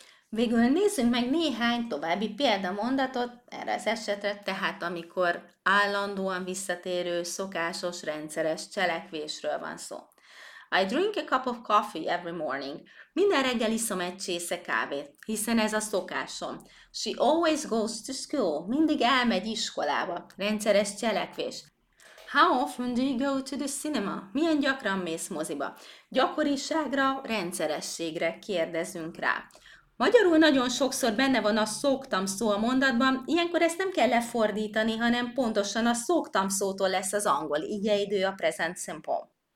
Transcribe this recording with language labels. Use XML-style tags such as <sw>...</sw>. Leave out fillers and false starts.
<hu>Végül nézzünk meg néhány további példamondatot erre az esetre, tehát amikor állandóan visszatérő, szokásos, rendszeres cselekvésről van szó.</hu> <en>I drink a cup of coffee every morning.</en> <hu>Minden reggel iszom egy csésze kávét, hiszen ez a szokásom.</hu> <en>She always goes to school.</en> <hu>Mindig elmegy iskolába. Rendszeres cselekvés.</hu> <en>How often do you go to the cinema?</en> <hu>Milyen gyakran mész moziba? Gyakoriságra, rendszerességre kérdezünk rá. Magyarul nagyon sokszor benne van a szoktam szó a mondatban, ilyenkor ezt nem kell lefordítani, hanem pontosan a szoktam szótól lesz az angol igeidő a present simple.</hu>